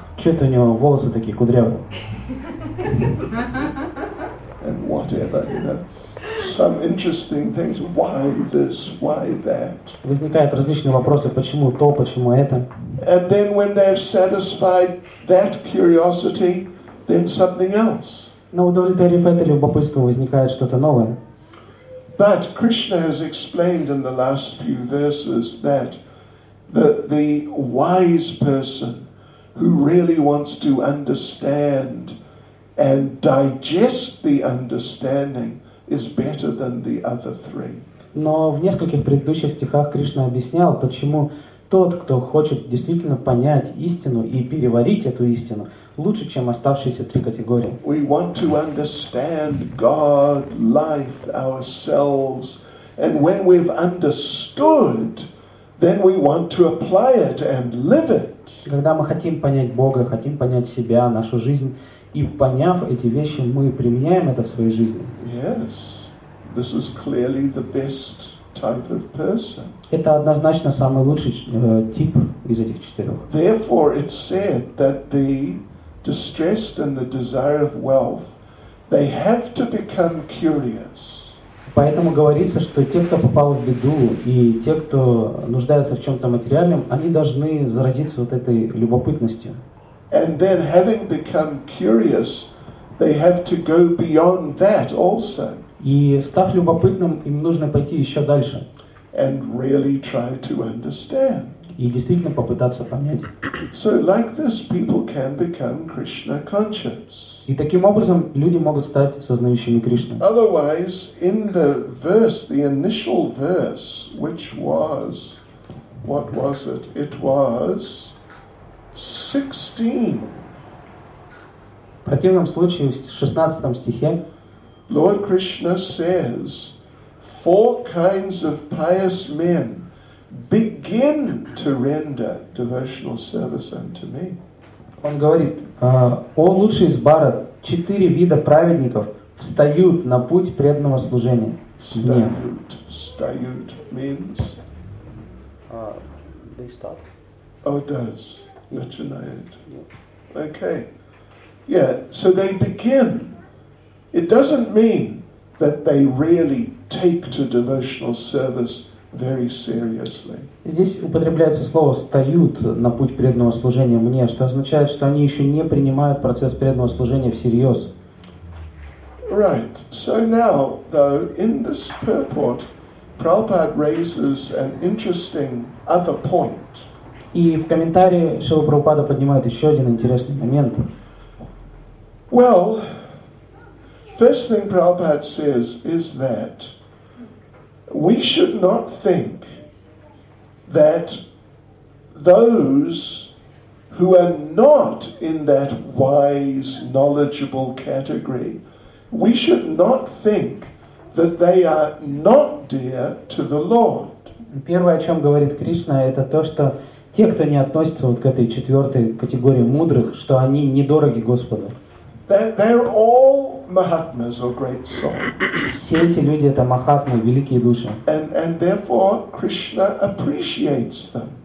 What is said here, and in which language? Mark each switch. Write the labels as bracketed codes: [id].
[ru] Чё-то у него волосы такие кудрявые. [en] And whatever, you know. Some interesting things. Why this? Why that? [ru] Возникают различные вопросы, почему то, почему это. [en] And then when they've satisfied that curiosity, then something else. [ru] Но удовлетворив это любопытство, возникает что-то новое. [en] But Krishna has explained in the last few verses that the wise person who really wants to understand and digest the understanding is better than the other three. [ru] Но в нескольких предыдущих стихах Кришна объяснял, почему тот, кто хочет действительно понять истину и переварить эту истину, лучше, чем оставшиеся три категории. [en] We want to understand God, life, ourselves, and when we've understood, then we want to apply it and live it. [ru] Когда мы хотим понять Бога, хотим понять себя, нашу жизнь, и поняв эти вещи, мы применяем это в своей жизни. [en] Yes, this is clearly the best type of person. [ru] Это однозначно самый лучший тип из этих четырех. [en] Therefore, it's said that the distressed and the desire of wealth, they have to become curious. [ru] Поэтому говорится, что те, кто попал в беду, и те, кто нуждается в чем-то материальном, они должны заразиться вот этой любопытностью. [en] And then, having become curious, they have to go beyond that also. [ru] И став любопытным, им нужно пойти еще дальше. [en] And really try to understand. [ru] И действительно попытаться понять. [en] So like this, people can become Krishna conscious. [ru] И таким образом люди могут стать сознающими Кришну. [en] Otherwise, in the verse, the initial verse, which was, what was it? It was 16. [ru] В противном случае, в 16 стихе, [en] Lord Krishna says, four kinds of pious men begin to render devotional service unto me. [ru] Он говорит, о лучший из Бхарат, четыре вида праведников встают на путь преданного служения. [en] Встают means? They start. Oh, it does. [ru] Начинает. [en] Okay. Yeah, so they begin. It doesn't mean that they really take to devotional service very seriously. [ru] Здесь употребляется слово «встают на путь преданного служения мне», что означает, что они еще не принимают процесс преданного служения всерьез. [en] Right. So now, though, in this purport, Prabhupada raises an interesting other point. [ru] И в комментарии Шрила Прабхупада поднимает еще один интересный момент. [en] Well, first thing Prabhupada says is that we should not think that those who are not in that wise, knowledgeable category, we should not think that they are not dear to the Lord. [ru] Первое, о чем говорит Кришна, это то, что те, кто не относится вот к этой четвертой категории мудрых, что они недороги Господу. [en] They're all mahatmas or great souls. [ru] Все эти люди это махатмы, великие души. [en] And therefore Krishna appreciates them.